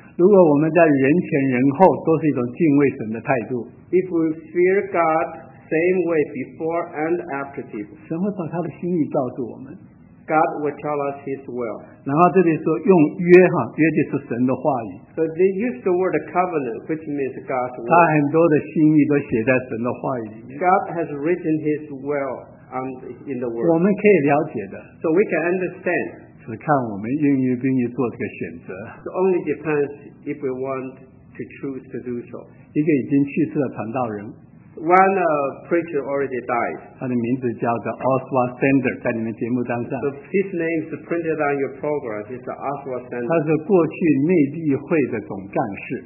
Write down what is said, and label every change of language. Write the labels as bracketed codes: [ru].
[zh] 如果我们在人前人后都是一种敬畏神的态度, [en] if we fear God same way before and after people, [zh] 神会把他的心意告诉我们, [en] God will tell us his will. [zh] 然后这里说用约, 约就是神的话语, [en] so they use the word covenant, which means God's will. [zh] 他很多的心意都写在神的话语里面, [en] God has written his will on, in the word. [zh] 我们可以了解的, [en] so we can understand. [zh] 只看我们愿意做这个选择, [en] so only depends if we want to choose to do so. [zh] 一个已经去世的传道人, [en] one preacher already died. [zh] 他的名字叫做 Oswald Sander, 在你们节目当中。 [en] So his name is printed on your program. It's Oswald Sander. [zh] 他是过去内地会的总干事。